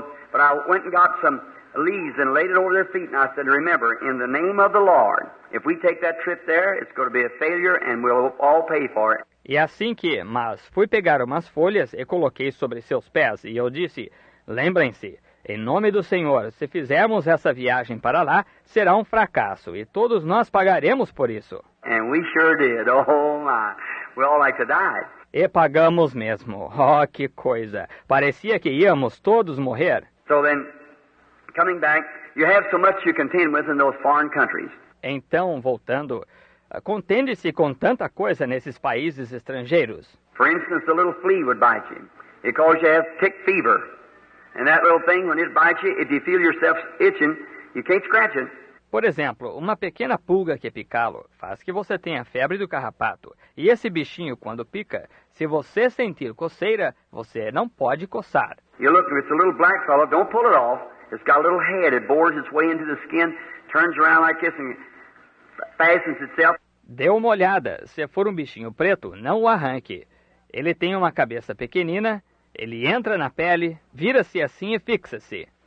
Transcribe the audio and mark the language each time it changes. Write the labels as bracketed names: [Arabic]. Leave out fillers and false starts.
[English] But I went and got some leaves and laid it over their feet. And I said, remember, in the name of the Lord, if we take that trip there, it's going to be a failure and we'll all pay for it. [Portuguese] E assim que, mas fui pegar umas folhas e coloquei sobre seus pés, e eu disse, lembrem-se, em nome do Senhor, se fizermos essa viagem para lá, será um fracasso, e todos nós pagaremos por isso. [English] And we sure did. Oh my. We all like to die. [Portuguese] E pagamos mesmo. Oh, que coisa. Parecia que íamos todos morrer. [English] So then, coming back, you have so much to contend with in those foreign countries. [Portuguese] Então, voltando, contende-se com tanta coisa nesses países estrangeiros. [English] For instance, a little flea would bite you. It causes you to have tick fever. And that little thing, when it bites you, if you feel yourself itching, you can't scratch it. [Portuguese] Por exemplo, uma pequena pulga que picá-lo faz que você tenha febre do carrapato. E esse bichinho, quando pica, se você sentir coceira, você não pode coçar. [English] You look, it's a little black fellow. Don't pull it off. It's got a little head. It bores its way into the skin, turns around like this and fastens itself. [Portuguese] Dê uma olhada. Se for um bichinho preto, não o arranque. Ele tem uma cabeça pequenina, ele entra na pele, vira-se assim e fixa-se.